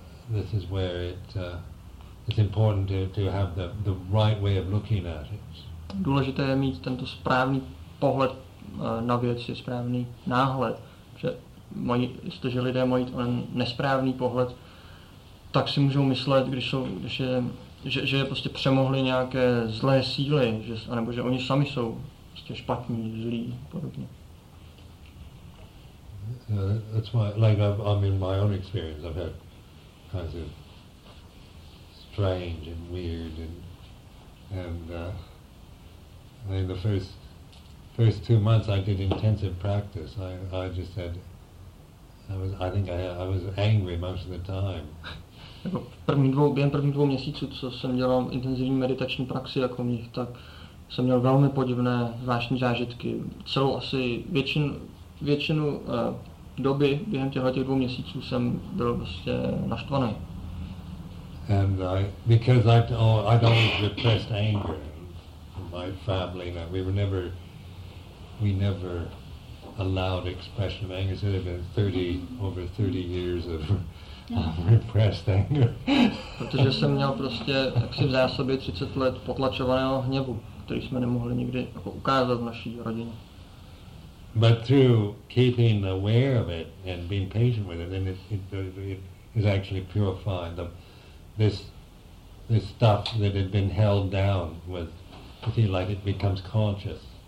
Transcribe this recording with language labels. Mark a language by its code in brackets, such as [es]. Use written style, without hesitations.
[en] This is where it's important to have the right way of looking at it. [cs] Důležité je mít tento správný pohled na věci, správný náhled, že jestliže lidé mají ten nesprávný pohled, tak si můžou myslet, že je prostě přemohli nějaké zlé síly, anebo že oni sami jsou prostě špatní, zlí a podobně. [en] That's why, like I'm in my own experience, I've had kinds of strange and weird and the first 2 months I did intensive practice, I just said, I was angry most of the time. [cs] Jako během prvních dvou měsíců, co jsem dělal intenzivní meditační praxi jako mnich, tak jsem měl velmi podivné zvláštní zážitky. Celou asi většinu doby během těchto dvou měsíců jsem byl prostě naštvaný. [en] And I'd always repressed anger in my family. We never a loud expression of anger. So there've been 30 years of repressed anger. [cs] Protože jsem měl prostě jaksi v zásobě 30 let potlačovaného hněvu, který jsme nemohli nikdy jako ukázat v naší rodině. [en] But through keeping aware of it and being patient with it, then it is actually purified. This stuff that had been held down it becomes conscious.